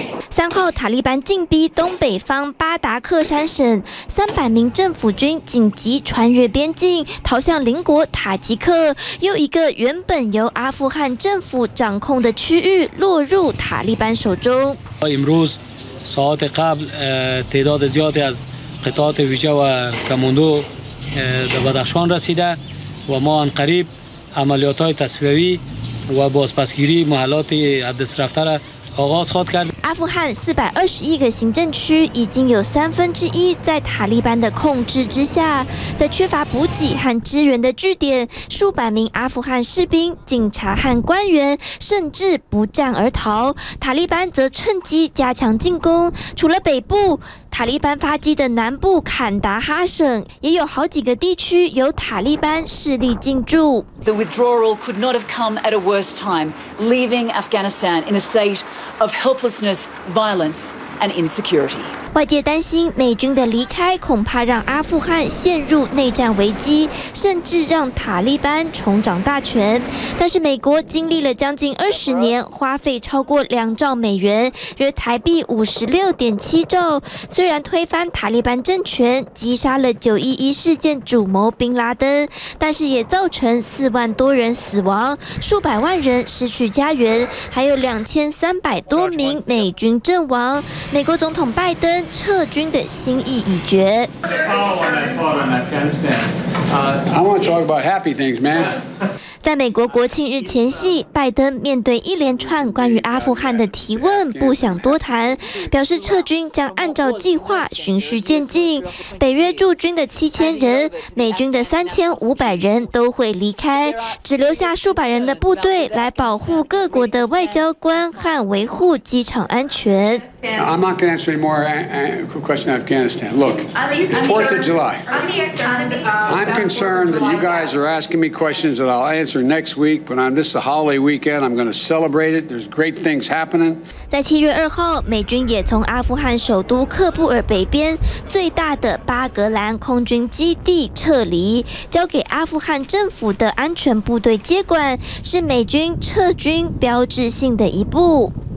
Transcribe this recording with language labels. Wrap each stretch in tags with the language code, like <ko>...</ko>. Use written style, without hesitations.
<zh>3号，塔利班进逼东北方巴达克山省，300名政府军紧急穿越边境，逃向邻国塔吉克，又一个原本由阿富汗政府掌控的区域落入塔利班手中。</zh> <fa>امروز ساعت قبل تعداد زیادی از قطعات ویژه و کموندو به بدخشان رسیده و ما آن قریب عملیات های تصفیهی و بازپسگیری محلات عدس رفته را آغاز خواهد کرد。</fa> <zh>阿富汗421个行政区已经有1/3在塔利班的控制之下，在缺乏补给和支援的据点，数百名阿富汗士兵、警察和官员甚至不战而逃。塔利班则趁机加强进攻，除了北部，塔利班发迹的南部坎达哈省也有好几个地区由塔利班势力进驻。</zh> <en>The withdrawal could not have come at a worse time, leaving Afghanistan in a state of helplessness. violence and insecurity.</en> <zh>外界担心美军的离开恐怕让阿富汗陷入内战危机，甚至让塔利班重掌大权。但是美国经历了将近20年，花费超过2兆美元，约台币56.7兆，虽然推翻塔利班政权，击杀了911事件主谋宾拉登，但是也造成4万多人死亡，数百万人失去家园，还有2300多名美军阵亡。美国总统拜登撤军的心意已决。</zh> <en>I want to talk about happy things, man.</en> <zh>在美国国庆日前夕，拜登面对一连串关于阿富汗的提问，不想多谈，表示撤军将按照计划循序渐进。北约驻军的7000人，美军的3500人都会离开，只留下数百人的部队来保护各国的外交官和维护机场安全。</zh> <en>I'm not going to answer any more questions on Afghanistan. Look, it's 4th of July. I'm concerned that you guys are asking me questions that I'll answer next week, but on this holiday weekend, I'm going to celebrate it. There's great things happening.</en> <zh>在7月2号，美军也从阿富汗首都喀布尔北边最大的巴格兰空军基地撤离，交给阿富汗政府的安全部队接管，是美军撤军标志性的一步。</zh>